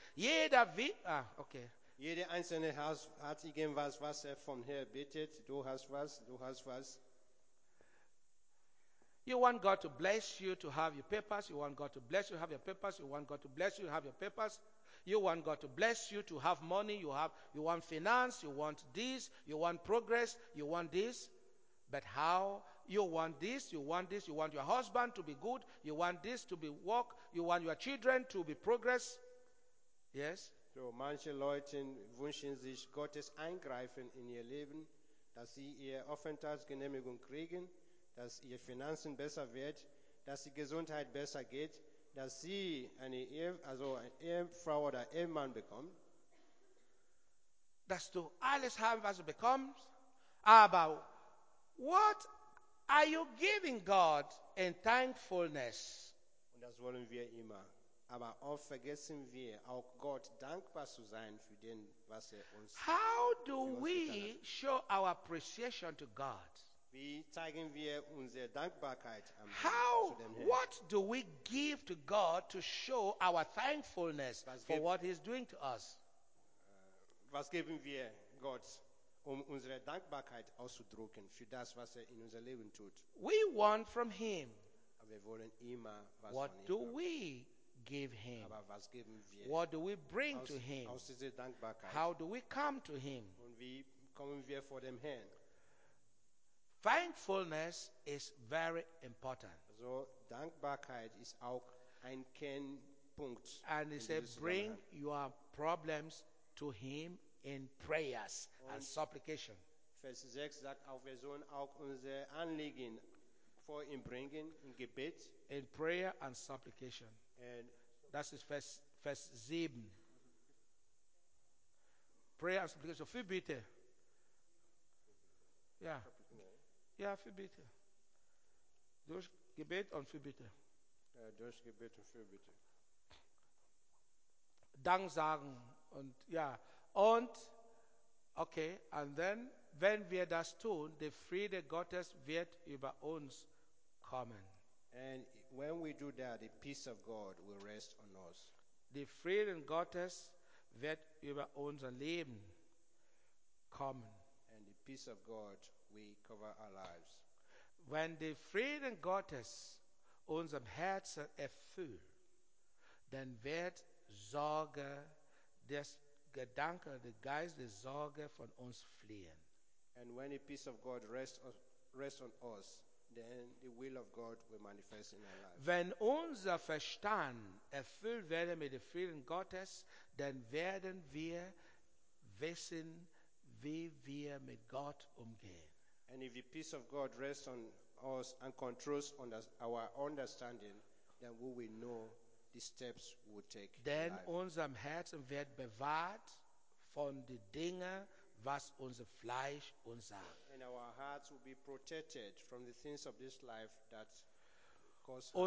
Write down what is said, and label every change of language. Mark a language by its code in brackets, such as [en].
[de] Jede einzelne hat irgendwas, was er von hier bittet. Du hast was. Du hast was. [en] You want God to bless you to have your papers. You want God to bless you to have your papers. You want God to bless you to have your papers. You want God to bless you to have money. You want finance. You want this. You want progress. You want this. But how? You want this, you want this, you want your husband to be good, you want this to be work, you want your children to be progress. Yes? [de] So manche Leute wünschen sich Gottes Eingreifen in ihr Leben, dass sie ihr Aufenthaltsgenehmigung kriegen, dass ihr Finanzen besser wird, dass die Gesundheit besser geht, dass sie eine Ehefrau oder Ehemann bekommen. Dass du alles haben, was du bekommst, aber [en] what are you giving God in thankfulness? [de] Und das wollen wir immer. Aber oft vergessen wir auch Gott dankbar zu sein für den, was er uns. [en] How do we show our appreciation to God? [de] Wie zeigen wir unsere Dankbarkeit am How, zu dem Herrn? [en] What do we give to God to show our thankfulness for what he's doing to us? [de] Was geben wir Gott, um unsere Dankbarkeit auszudrücken für das, was er in unser Leben tut? [en] We want from him. [de] Wir wollen immer was [en] what [de] von ihm [en] do we give him? [de] Aber was geben wir [en] what do we bring to him? [de] Aus dieser Dankbarkeit? [en] How do we come to him? [de] Und wie kommen wir vor dem Herrn? [en] Thankfulness is very important. [de] So, Dankbarkeit ist auch ein Kernpunkt. [en] And he said, bring your problems to him in prayers and supplication. [de] Vers 6 sagt, auch wir sollen auch unsere Anliegen vor ihm bringen, in Gebet. [en] In prayer and supplication. And [de] das ist Vers 7. [en] Prayer and supplication. [de] Für bitte. Ja. Ja, für bitte. Durch Gebet und für bitte. Ja, durch Gebet und für bitte. Dank sagen und ja. Und, okay, [en] and then, [de] wenn wir das tun, die Friede Gottes wird über uns kommen. [en] And when we do that, the peace of God will rest on us. [de] Die Friede Gottes wird über unser Leben kommen. [en] And the peace of God we cover our lives. When the [de] Frieden Gottes unserem Herzen erfüllt, dann wird Sorge, das Gedanke, der Geist, die Sorge von uns fliehen. [en] And when the peace of God rests on us, then the will of God will manifest in our lives. [de] Wenn unser Verstand erfüllt wird mit dem Frieden Gottes, dann werden wir wissen, wie wir mit Gott umgehen. [en] And if the peace of God rests on us and controls our understanding, then we will know the steps we will take. [de] Then unser Herz wird bewahrt von den Dingen, was unser Fleisch uns sagt. [en] And our hearts will be protected from the things of this life that cause harm.